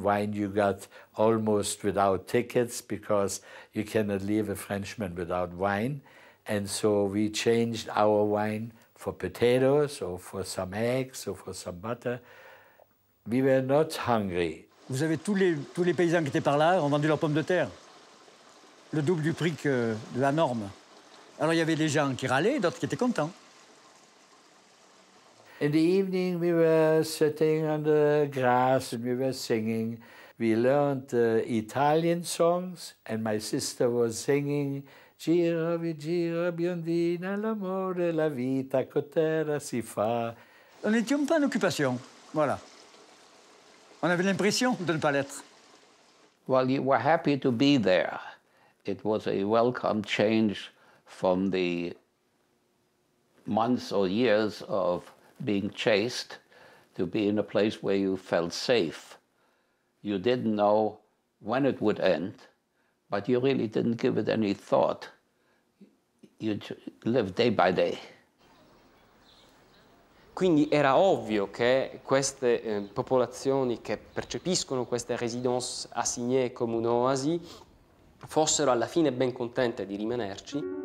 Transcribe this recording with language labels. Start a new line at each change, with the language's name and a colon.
English: Wine you got almost without tickets, because you cannot leave a Frenchman without wine. And so we changed our wine for potatoes, or for some eggs, or for some butter. We were not hungry.
French: Vous avez tous les paysans qui étaient par là ont vendu leurs pommes de terre. Le double du prix que de la norme. Alors il y avait des gens qui râlaient, d'autres qui étaient contents.
English: In the evening, we were sitting on the grass and we were singing. We learned Italian songs and my sister was singing.
Italian: Gira, vi gira, biondina, l'amore, la vita, cotera, si fa.
French: On n'était pas en occupation, voilà. On avait l'impression de ne pas l'être.
English: Well, you were happy to be there. It was a welcome change from the months or years of being chased to be in a place where you felt safe. You didn't know when it would end, but you really didn't give it any thought. You live day by day.
Italian: Quindi era ovvio che queste popolazioni che percepiscono queste
French: residence assignées
Italian: come un'oasi fossero alla fine ben contente di rimanerci.